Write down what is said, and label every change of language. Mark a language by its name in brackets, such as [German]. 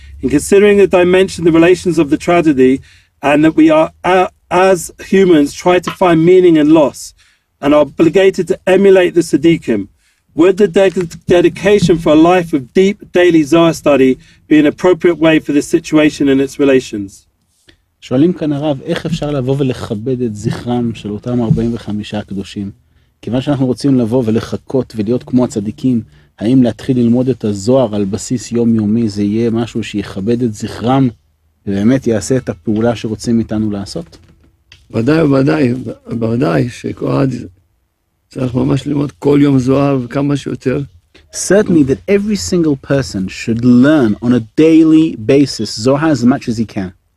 [English] In considering the dimension, the relations of the tragedy, and that we are, as humans, try to find meaning and loss, and are obligated to emulate the tzaddikim, would the dedication for a life of deep daily Zohar study be an appropriate way for this situation and its relations? [Hebrew] שואלים כאן הרב, איך אפשר לבוא ולכבד את זכרם של אותם 45 הקדושים? כיוון שאנחנו רוצים לבוא ולחכות ולהיות כמו הצדיקים, האם להתחיל ללמוד את הזוהר על בסיס יומיומי זה יהיה משהו שיכבד את זכרם ובאמת יעשה את הפעולה שרוצים איתנו לעשות? ודאי וודאי, ודאי שכועד צריך ממש ללמוד כל יום זוהר וכמה שיותר. [English] Certainly that every single person should learn on a daily basis Zohar as much as he can.